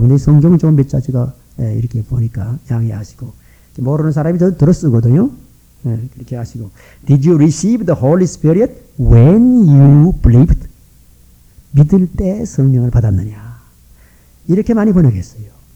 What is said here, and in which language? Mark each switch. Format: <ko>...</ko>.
<ko>근데 성경을 조금 몇 자지가 이렇게 보니까 양해하시고, 모르는 사람이 저도 들어 쓰거든요. 그렇게 하시고,</ko> <en>Did you receive the Holy Spirit when you believed?</en> <ko>믿을 때 성령을 받았느냐? 이렇게 많이 번역했어요.</ko>